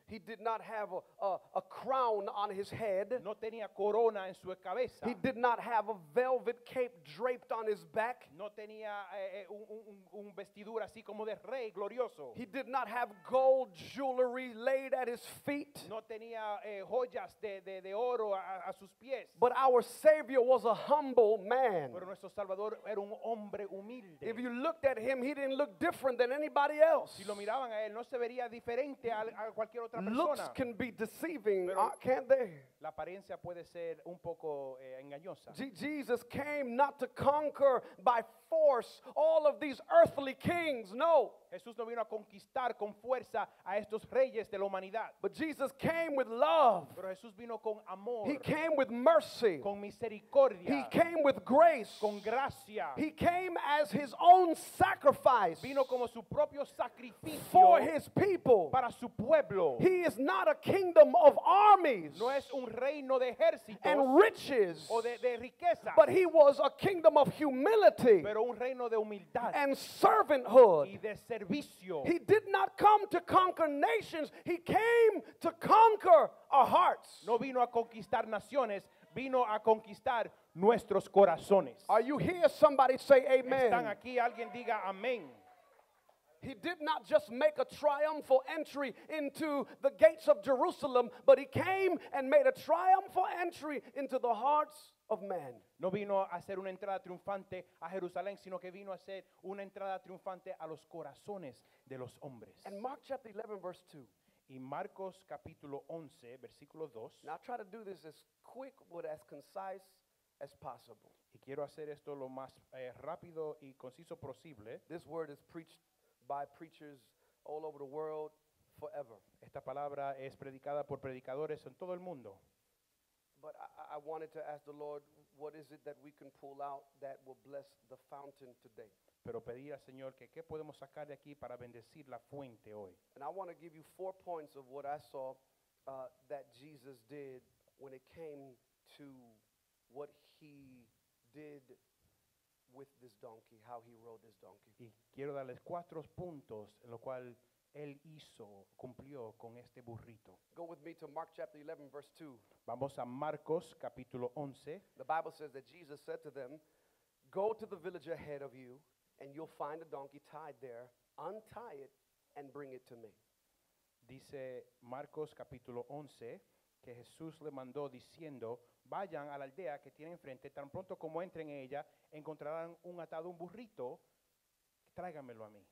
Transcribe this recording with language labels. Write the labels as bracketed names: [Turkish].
[English] He did not have a crown on his head. [Spanish] No tenía corona en su cabeza. [English] He did not have a velvet cape draped on his back. [Spanish] No tenía un vestidura así como de rey glorioso. [English] He did not have gold jewelry laid at his feet. [Spanish] No tenía joyas de oro a sus pies. [English] But our Savior was a humble man. [Spanish] Pero nuestro Salvador era un hombre humilde. [English] If you looked at him, he didn't look different than anybody else. [Spanish] Si lo miraban a él, no se vería diferente a cualquier otra persona. [English] Looks can be deceiving, can't they? [Spanish] La apariencia puede ser un poco engañosa. [English] Jesus came not to conquer by force all of these earthly kings, no. [Spanish] Jesús no vino a conquistar con fuerza a estos reyes de la humanidad. [English] But Jesus came with love. [Spanish] Pero Jesús vino con amor. [English] He came with mercy. [Spanish] Con misericordia. [English] He came with grace. [Spanish] Con gracia. [English] He came as his own sacrifice. [Spanish] Vino como su propio sacrificio. [English] For his people. [Spanish] Para su pueblo. [English] He is not a kingdom of armies. [Spanish] No es un reino de ejércitos. [English] And riches. [Spanish] O de riqueza. [English] But he was a kingdom of humility. [Spanish] Pero un reino de humildad. [English] And servanthood. [Spanish] Y de [English] He did not come to conquer nations. He came to conquer our hearts. [Spanish] No vino a conquistar naciones, vino a conquistar nuestros corazones. [English] Are you here? Somebody say amen. [Spanish] Están aquí, alguien diga amén. [English] He did not just make a triumphal entry into the gates of Jerusalem, but he came and made a triumphal entry into the hearts of men. [Spanish] No vino a hacer una entrada triunfante a Jerusalén, sino que vino a hacer una entrada triunfante a los corazones de los hombres. [English] And Mark chapter 11, verse 2. [Spanish] Y Marcos capítulo 11, versículo 2. [English] Now I try to do this as quick but as concise as possible. [Spanish] Y quiero hacer esto lo más rápido y conciso posible. [English] This word is preached by preachers all over the world forever. [Spanish] Esta palabra es predicada por predicadores en todo el mundo. [English] But I wanted to ask the Lord, what is it that we can pull out that will bless the fountain today? [Spanish] Pero pedí al Señor que qué podemos sacar de aquí para bendecir la fuente hoy. [English] And I want to give you 4 points of what I saw that Jesus did when it came to what he did with this donkey, how he rode this donkey. [Spanish] Y quiero darles 4 puntos en lo cual él hizo, cumplió con este burrito. [English] Go with me to Mark chapter 11, verse 2. [Spanish] Vamos a Marcos capítulo 11. [English] The Bible says that Jesus said to them, go to the village ahead of you, and you'll find a donkey tied there. Untie it and bring it to me. [Spanish] Dice Marcos capítulo 11 que Jesús le mandó diciendo, vayan a la aldea que tiene enfrente, tan pronto como entren en ella, encontrarán un atado, un burrito, tráiganmelo a mí.